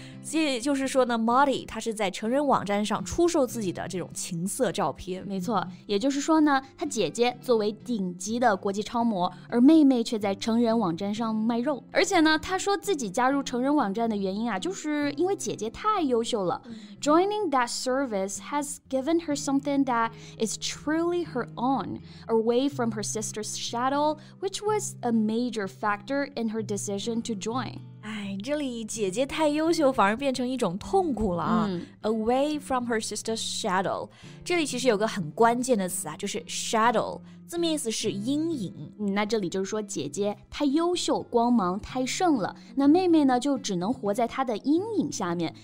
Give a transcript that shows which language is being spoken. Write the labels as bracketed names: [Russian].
[Chinese] 所以就是说呢 ，Molly 她是在成人网站上出售自己的这种情色照片。没错，也就是说呢，她姐姐作为顶级的国际超模，而妹妹却在成人网站上卖肉。而且呢，她说自己加入成人网站的原因啊，就是因为姐姐太优秀了。 [English] Joining that service has given her something that is truly her own, away from her sister's shadow, which was a major factor in her decision to join. [Chinese] 哎，这里姐姐太优秀反而变成一种痛苦了啊。 [English] Away from her sister's shadow. [Chinese] 这里其实有个很关键的词啊，就是 shadow. 字面意思是阴影。那这里就是说姐姐太优秀，光芒太盛了。那妹妹呢，就只能活在她的阴影下面。